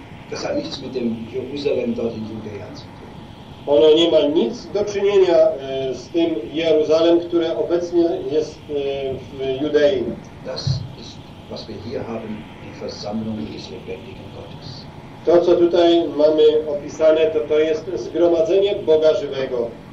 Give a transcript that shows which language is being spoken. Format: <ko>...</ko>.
<de>Das hat nichts mit dem Jerusalem dort in Judäa zu tun.</de> <pl>Ono nie ma nic do czynienia z tym Jerozolem, które obecnie jest w Judei.</pl> <de>Das ist, was wir hier haben, die Versammlung des lebendigen Gottes.</de> <pl>To, co tutaj mamy opisane, to jest zgromadzenie Boga żywego.</pl>